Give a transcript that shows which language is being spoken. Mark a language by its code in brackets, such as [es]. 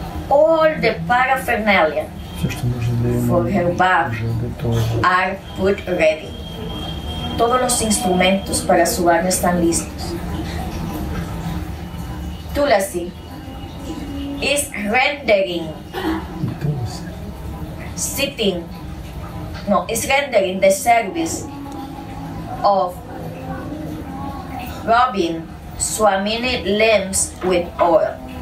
[en] All the paraphernalia for her bath are put ready. [es] Todos los instrumentos para su baño están listos. [en] Tulasi is rendering, sitting, no, is rendering the service of rubbing Swamini limbs with oil.